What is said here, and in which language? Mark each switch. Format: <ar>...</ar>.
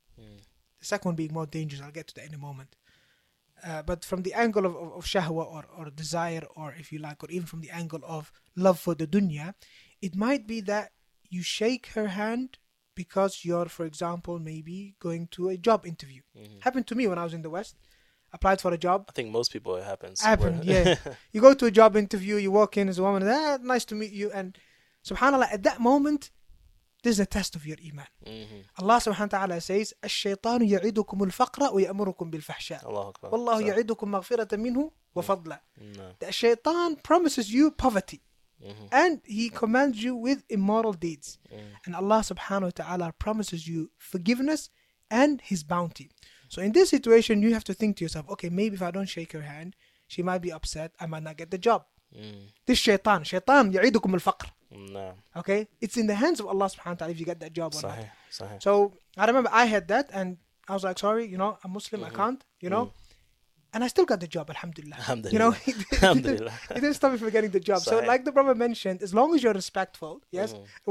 <en>The second one being more dangerous, I'll get to that in a moment. But from the angle of shahwa or desire, or if you like, or even from the angle of love for the dunya, it might be that you shake her hand because you're, for example, maybe going to a job interview. Mm-hmm. Happened to me when I was in the West. Applied for a job. I think most people it happens. Happened, yeah. You go to a job interview, you walk in as a woman, nice to meet you. And subhanAllah, at that moment, this is a test of your iman. Mm-hmm.</en> <ar>Allah subhanahu wa ta'ala says, الشيطان يعيدكم الفقر ويأمركم بالفحشاء. والله يعيدكم مغفرة منه وفضلا.</ar> <en>The shaitan promises you poverty. Mm-hmm. And he commands you with immoral deeds. Mm-hmm. And Allah subhanahu wa ta'ala promises you forgiveness and his bounty. So in this situation, you have to think to yourself, okay, maybe if I don't shake her hand, she might be upset. I might not get the job. Mm-hmm. This shaitan</en> <ar>يعيدكم الفقر.</ar> <en>No. Okay? It's in the hands of Allah subhanahu wa ta'ala if you get that job or</en> <ar>Sahih.</ar> <en>Not. So I remember I had that and I was like, sorry, you know, I'm Muslim, mm-hmm. I can't, you know. Mm. And I still got the job, alhamdulillah. You know, alhamdulillah. It didn't stop me from getting the job. Sahih. So like the brother mentioned, as long as you're respectful, yes, mm-hmm.</en>